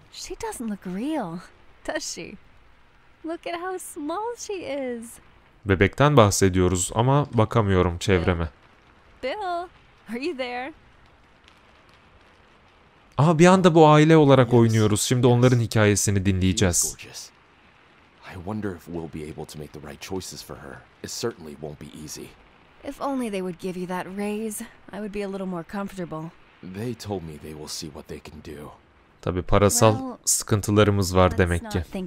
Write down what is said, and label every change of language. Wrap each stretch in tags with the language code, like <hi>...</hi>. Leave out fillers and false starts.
<en>She doesn't look real, does she? Look at how small she is.</en> <tr>Bebekten bahsediyoruz ama bakamıyorum çevreme.</tr> <en>Bill, are you there?</en> <tr>Aha, bir anda bu aile olarak oynuyoruz. Şimdi onların hikayesini dinleyeceğiz.</tr> <en>I wonder if we'll be able to make the right choices for her. It certainly won't be easy. If only they would give you that raise, I would be a little more comfortable. They told me they will see what they can do.</en> <tr>Tabii parasal sıkıntılarımız var demek ki.</tr>